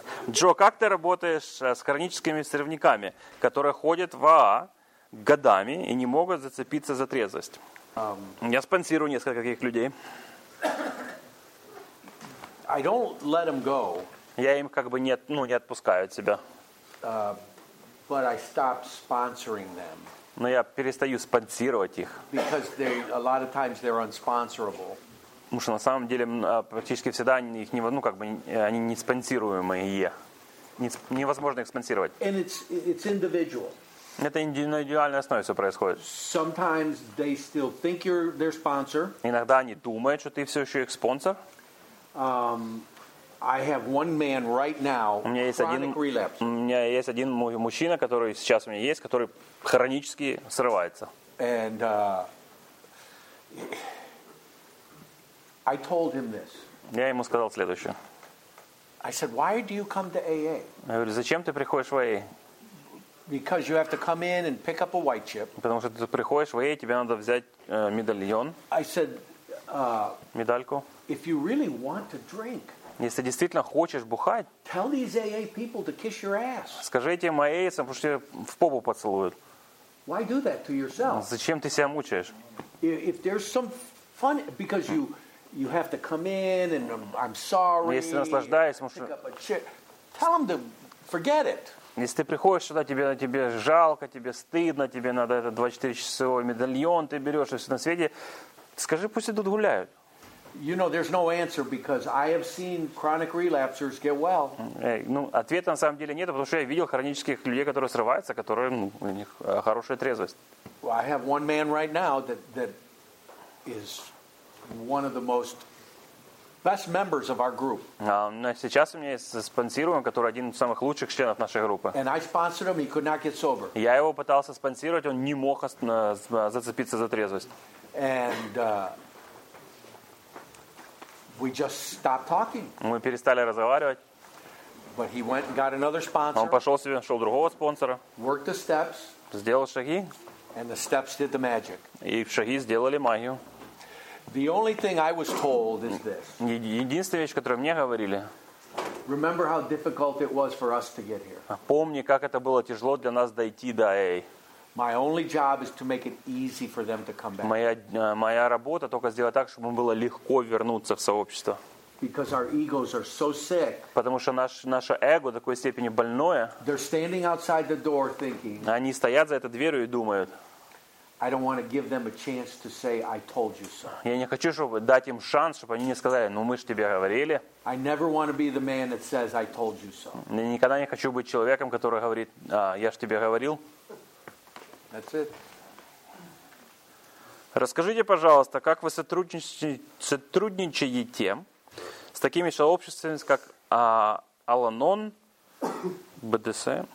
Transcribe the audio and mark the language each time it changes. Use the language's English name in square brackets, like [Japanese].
[Russian] Джо, как ты работаешь с хроническими сорняками, которые ходят в АА годами и не могут зацепиться за трезвость? Я спонсирую несколько таких людей. [English] I don't let them go. [Russian] Я им как бы не отпускаю от себя. [English] But I stop sponsoring them. [Russian] Но я перестаю спонсировать их. [English] Because they, a lot of times they're unsponsorable. [Russian] Потому что на самом деле практически всегда их не, ну, как бы, они не спонсируемые. Невозможно их спонсировать. [English] And it's individual. [Russian] Это на индивидуальной основе все происходит. [English] Sometimes they still think you're their sponsor. [Russian] Иногда они думают, что ты все еще их спонсор. [English] I have one man right now, chronic relapse. [Russian] У меня есть один мужчина, который сейчас у меня есть, который хронически срывается. [English] And I told him this. [Russian] Я ему сказал следующее. [English] I said, why do you come to AA? [Russian] Я говорю, зачем ты приходишь в AA? [English] Because you have to come in and pick up a white chip. [Russian] Потому что ты приходишь в AA, тебе надо взять медальон. [English] I said, [Russian] медальку. [English] If you really want to drink, [Russian] если ты действительно хочешь бухать, [English] tell these AA people to kiss your ass. [Russian] Скажите им AA-сам, потому что тебя в попу поцелуют. [English] Why do that to yourself? [Russian] Зачем ты себя мучаешь? [English] If there's some fun, because you have to come in and I'm sorry. [Russian] Если наслаждаюсь, потому что... [English] pick up a chip. Tell them to forget it. [Russian] Если ты приходишь сюда, тебе жалко, тебе стыдно, тебе надо это 24 часовой медальон, ты берешь и все на свете, скажи, пусть идут гуляют. [English] You know, there's no answer because I have seen chronic relapsers get well. [Russian] Ну, ответа на самом деле нет, потому что я видел хронических людей, которые срываются, которые, ну, у них хорошая трезвость. [English] Well, I have one man right now that is one of the most best members of our group. [Russian] Сейчас у меня есть спонсируем, который один из самых лучших членов нашей группы. [English] And I sponsored him, he could not get sober. [Russian] Я его пытался спонсировать, он не мог зацепиться за трезвость. [English] And we just stopped talking. [Russian] Мы перестали разговаривать. [English] But he went and got another sponsor. [Russian] Он пошел себе, нашел другого спонсора. [English] Worked the steps. [Russian] Сделал шаги. [English] And the steps did the magic. [Russian] И шаги сделали магию. [English] The only thing I was told is this. [Russian] Единственная вещь, которую мне говорили. [English] Remember how difficult it was for us to get here. [Russian] Помни, как это было тяжело для нас дойти до AA. [English] My only job is to make it easy for them to come back. [Russian] Моя работа только сделать так, чтобы им было легко вернуться в сообщество. [English] Because our egos are so sick. [Russian] Потому что наше эго до такой степени больное. [English] They're standing outside the door thinking. [Russian] Они стоят за этой дверью и думают. [English] I don't want to give them a chance to say I told you so. [Russian] Я не хочу, чтобы дать им шанс, чтобы они не сказали: "Ну мы же тебе говорили". [English] I never want to be the man that says I told you so. [Russian] Я никогда не хочу быть человеком, который говорит: "А, я же тебе говорил". [English] That's it. [Russian] Расскажите, пожалуйста, как вы сотрудничаете с такими сообществами, как Аланон, БДС?